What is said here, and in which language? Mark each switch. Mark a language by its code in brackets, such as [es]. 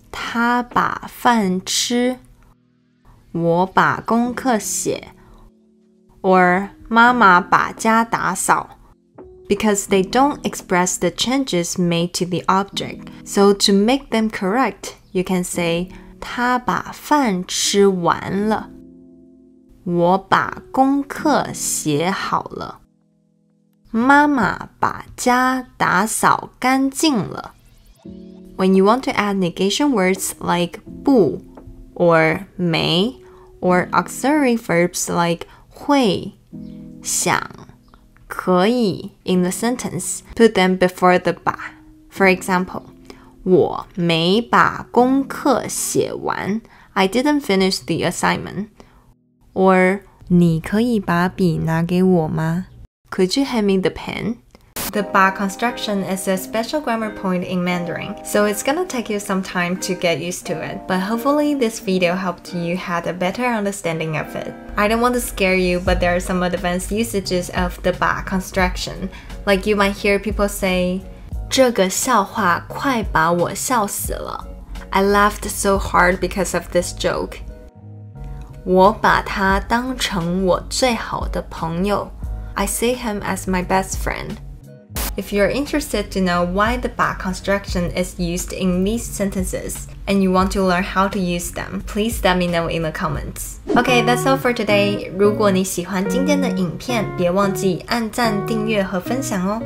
[zh] 他把饭吃，我把功课写， [en] or [zh] 妈妈把家打扫 [en] because they don't express the changes made to the object. So to make them correct, you can say [zh] 她把饭吃完了我把功课写好了妈妈把家打扫干净了 [en] When you want to add negation words like 不 or 没 or auxiliary verbs like [zh] 会想、 [en] 可以 in the sentence, put them before the 把. For example, [zh] 我没把功课写完 [en] I didn't finish the assignment. Or, [zh] 你可以把笔拿给我吗? [en] Could you hand me the pen? The 把 construction is a special grammar point in Mandarin, so it's gonna take you some time to get used to it. But hopefully this video helped you have a better understanding of it. I don't want to scare you, but there are some advanced usages of the 把 construction. Like you might hear people say, [zh] 这个笑话快把我笑死了。 [en] I laughed so hard because of this joke. [zh] 我把他当成我最好的朋友。 [en] I see him as my best friend. If you're interested to know why the 把 construction is used in these sentences, and you want to learn how to use them, please let me know in the comments. Okay, that's all for today. [zh] 如果你喜欢今天的影片，别忘记按赞、订阅和分享哦。